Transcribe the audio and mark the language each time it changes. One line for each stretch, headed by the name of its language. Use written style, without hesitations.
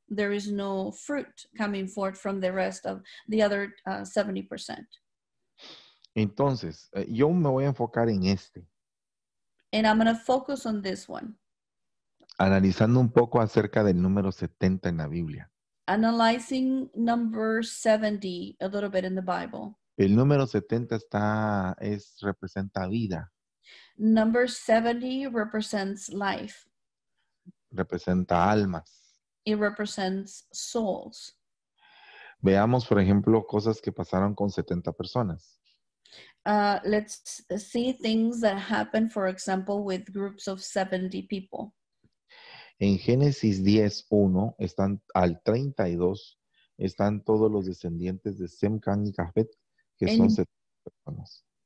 English: There is no fruit coming forth from the rest of the other 70%.
Spanish: Entonces, yo me voy a enfocar en este.
English: And I'm going to focus on this one.
Spanish: Analizando un poco acerca del número 70 en la Biblia.
English: Analyzing number 70 a little bit in the Bible.
Spanish: El número 70 representa vida.
English: Number 70 represents life.
Spanish: Representa almas.
English: It represents souls.
Spanish: Veamos, por ejemplo, cosas que pasaron con 70 personas.
English: Let's see things that happened, for example, with groups of 70 people.
Spanish: En Génesis 10:1, están al 32, están todos los descendientes de Sem, Cam y Jafet, que son 70 personas.